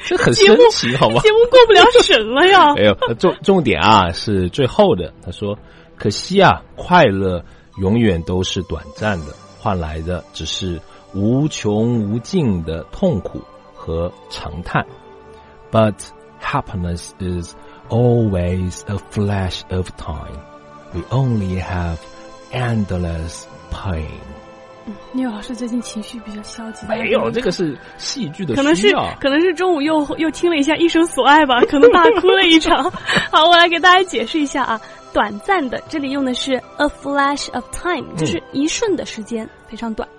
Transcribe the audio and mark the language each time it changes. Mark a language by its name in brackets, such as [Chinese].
[Chinese] 这很神奇，好吧？节目过不了审了呀！没有，重点啊，是最后的。他说：“可惜啊，快乐永远都是短暂的，换来的只是无穷无尽的痛苦和长叹。 [English] But happiness is always a flash of time. We only have endless pain.” [Chinese] 聂老师最近情绪比较消极。没有，这个是戏剧的需要。可能是中午又听了一下《一生所爱》吧，可能大哭了一场。好，我来给大家解释一下啊，短暂的这里用的是 a flash of time， 就是一瞬的时间，非常短，